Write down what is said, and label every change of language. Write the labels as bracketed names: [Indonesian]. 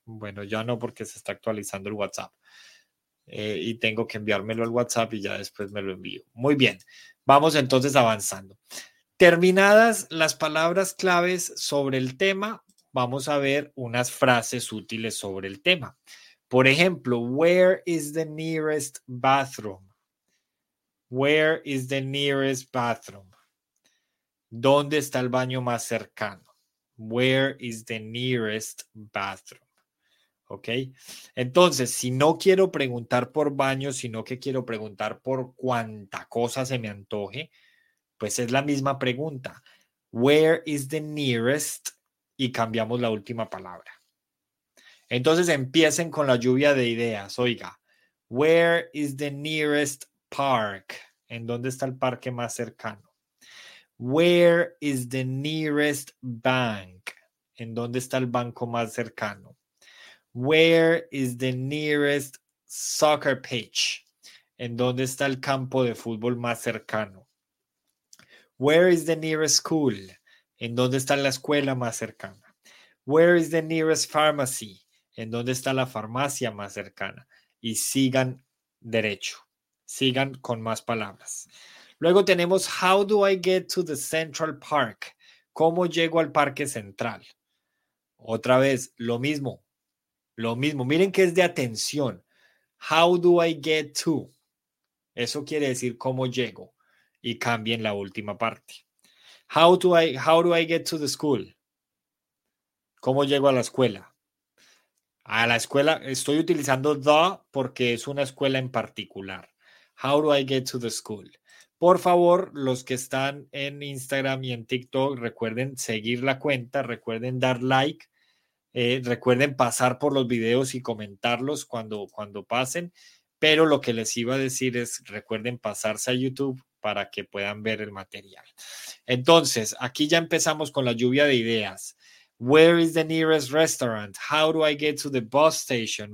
[Spanish] Bueno, ya no, porque se está actualizando el WhatsApp. Y tengo que enviármelo al WhatsApp y ya después me lo envío. Muy bien, vamos entonces avanzando. Terminadas las palabras claves sobre el tema, vamos a ver unas frases útiles sobre el tema. Por ejemplo, [English] where is the nearest bathroom? Where is the nearest bathroom? [Spanish] ¿Dónde está el baño más cercano? [English] Where is the nearest bathroom? ¿Ok? [Spanish] Entonces, si no quiero preguntar por baño, sino que quiero preguntar por cuánta cosa se me antoje, pues es la misma pregunta. [English] Where is the nearest? [Spanish] Y cambiamos la última palabra. Entonces empiecen con la lluvia de ideas. [English] Oiga, where is the nearest park? [Spanish] ¿En dónde está el parque más cercano? [English] Where is the nearest bank? [Spanish] ¿En dónde está el banco más cercano? [English] Where is the nearest soccer pitch? [Spanish] ¿En dónde está el campo de fútbol más cercano? [English] Where is the nearest school? [Spanish] ¿En dónde está la escuela más cercana? [English] Where is the nearest pharmacy? [Spanish] ¿En dónde está la farmacia más cercana? Y sigan derecho. Sigan con más palabras. Luego tenemos, [English] how do I get to the Central Park? [Spanish] ¿Cómo llego al parque central? Otra vez, lo mismo. Lo mismo. Miren que es de atención. [English] How do I get to? [Spanish] Eso quiere decir cómo llego. Y cambien la última parte. [English] How do I get to the school? [Spanish] ¿Cómo llego a la escuela? A la escuela, estoy utilizando the porque es una escuela en particular. [English] How do I get to the school? [Spanish] Por favor, los que están en Instagram y en TikTok, recuerden seguir la cuenta, recuerden dar like, recuerden pasar por los videos y comentarlos cuando pasen. Pero lo que les iba a decir es, recuerden pasarse a YouTube para que puedan ver el material. Entonces, aquí ya empezamos con la lluvia de ideas. [English] Where is the nearest restaurant? How do I get to the bus station?